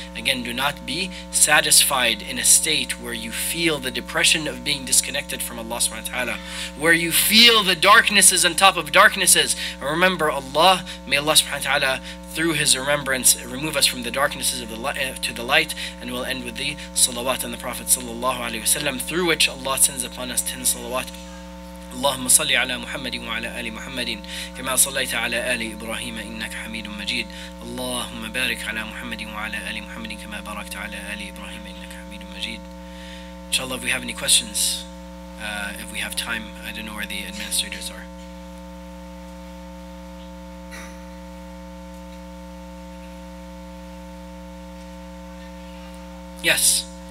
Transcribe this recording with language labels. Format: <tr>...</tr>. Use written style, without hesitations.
<en>Again, do not be satisfied in a state where you feel the depression of being disconnected from Allah subhanahu wa ta'ala, where you feel the darknesses on top of darknesses. And remember Allah, may Allah subhanahu wa ta'ala through his remembrance remove us from the darknesses of the to the light. And we'll end with the salawat on the Prophet sallallahu alayhi wa sallam, through which Allah sends upon us 10 salawat.</en> <ar>اللهم صل على محمد وعلى آل محمد كما صليت على آل إبراهيم إنك حميد مجيد اللهم بارك على محمد وعلى آل محمد كما باركت على آل إبراهيم إنك حميد مجيد.</ar> <en>Inshallah, if we have any questions, if we have time, I don't know where the administrators are. Yes.</en>